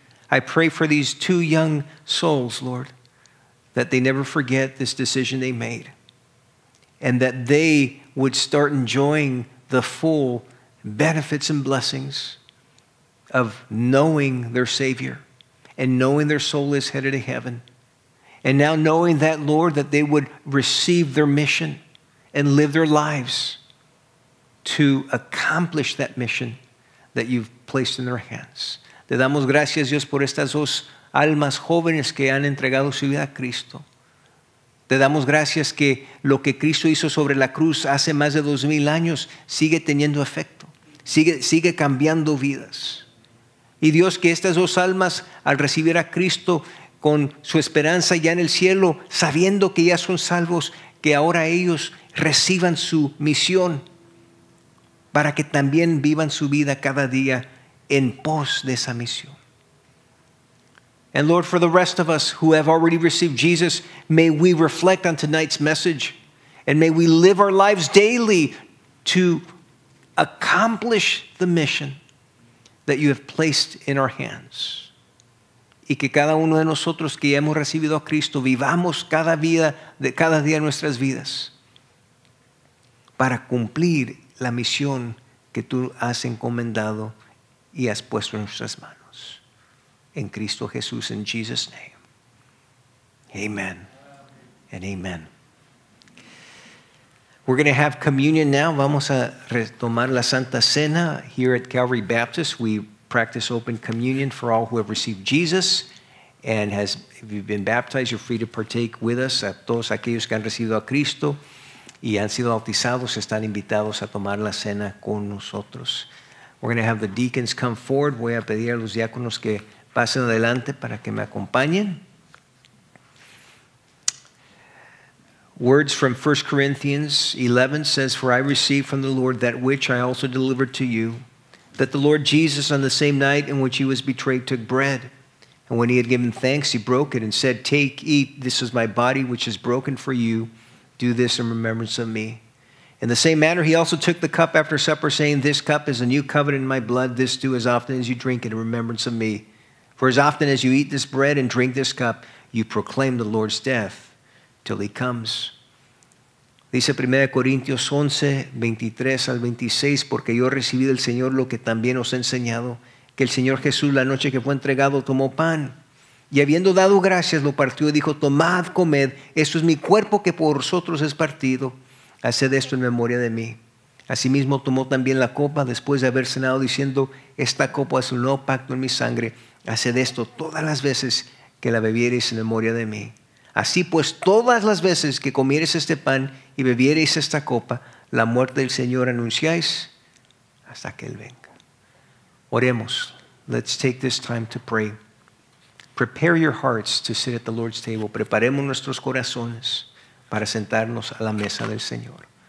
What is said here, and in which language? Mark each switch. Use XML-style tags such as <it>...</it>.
<en>I pray for these two young souls, Lord, that they never forget this decision they made and that they would start enjoying the full benefits and blessings of knowing their Savior and knowing their soul is headed to heaven. And now knowing that, Lord, that they would receive their mission and live their lives to accomplish that mission that you've placed in their hands.</en> <es>Te damos gracias, Dios, por estas dos almas jóvenes que han entregado su vida a Cristo. Te damos gracias que lo que Cristo hizo sobre la cruz hace más de 2,000 años sigue teniendo efecto. Sigue cambiando vidas. Y Dios, que estas dos almas al recibir a Cristo con su esperanza ya en el cielo, sabiendo que ya son salvos, que ahora ellos reciban su misión para que también vivan su vida cada día en pos de esa misión.</es> <en>And Lord, for the rest of us who have already received Jesus, may we reflect on tonight's message and may we live our lives daily to accomplish the mission that you have placed in our hands.</en> <es>Y que cada uno de nosotros que ya hemos recibido a Cristo vivamos cada día de nuestras vidas para cumplir la misión que tú has encomendado y has puesto en nuestras manos. En Cristo Jesús,</es> <en>in Jesus' name. Amen. And amen. We're going to have communion now.</en> <es>Vamos a retomar la Santa Cena</es> <en>here at Calvary Baptist. We practice open communion for all who have received Jesus and has, if you've been baptized, you're free to partake with us.</en> <es>A todos aquellos que han recibido a Cristo y han sido bautizados están invitados a tomar la cena con nosotros.</es> <en>We're going to have the deacons come forward.</en> <es>Voy a pedir a los diáconos que pasen adelante para que me acompañen.</es> <en>Words from 1 Corinthians 11 says, "For I received from the Lord that which I also delivered to you, that the Lord Jesus, on the same night in which he was betrayed, took bread. And when he had given thanks, he broke it and said, 'Take, eat, this is my body which is broken for you. Do this in remembrance of me.' In the same manner, he also took the cup after supper, saying, 'This cup is a new covenant in my blood. This do as often as you drink it in remembrance of me. For as often as you eat this bread and drink this cup, you proclaim the Lord's death till he comes.'"</en> <es>Dice 1 Corintios 11, 23 al 26, "Porque yo recibí del Señor lo que también os he enseñado, que el Señor Jesús, la noche que fue entregado, tomó pan, y habiendo dado gracias, lo partió y dijo, 'Tomad, comed, esto es mi cuerpo que por vosotros es partido, haced esto en memoria de mí.' Asimismo tomó también la copa, después de haber cenado, diciendo, 'Esta copa es un nuevo pacto en mi sangre, haced esto todas las veces que la bebiereis en memoria de mí. Así pues, todas las veces que comieres este pan y bebiereis esta copa, la muerte del Señor anunciáis hasta que Él venga." Oremos.</es> <en>Let's take this time to pray. Prepare your hearts to sit at the Lord's table.</en> <es>Preparemos nuestros corazones para sentarnos a la mesa del Señor.</es>